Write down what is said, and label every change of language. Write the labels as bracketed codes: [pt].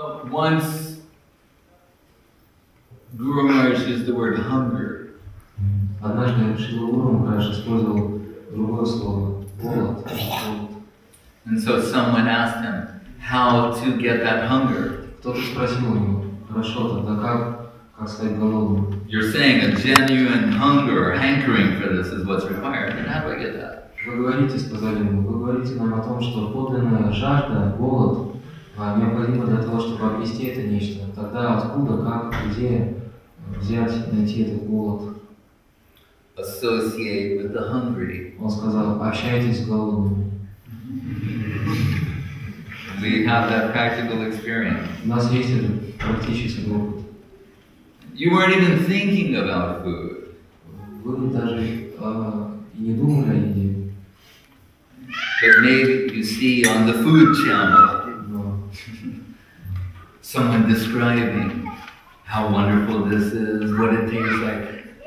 [en] Once Гуру Махарадж used the word hunger. [ru] Однажды Шрила Гуру Махарадж использовал другое слово голод. [en] And so someone asked him how to get that hunger. [ru] Кто-то спросил у него, хорошо, тогда как стать голодным? [en] You're saying a genuine hunger, hankering for this is what's required. And how do I get that? [ru] Вы говорите, сказали ему, вы говорите нам о том, что подлинная жажда, голод необходимо для того, чтобы обрести это нечто. Тогда откуда, как, где взять, найти этот голод? [en] Associate with the hungry. [ru] Он сказал, общайтесь с голодными. [en] We have that practical experience. [ru] У нас есть этот практический опыт. [en] You weren't even thinking about food. [ru] Вы даже не думали о еде. [en] But maybe you see on the food channel someone describing how wonderful this is, what it tastes like.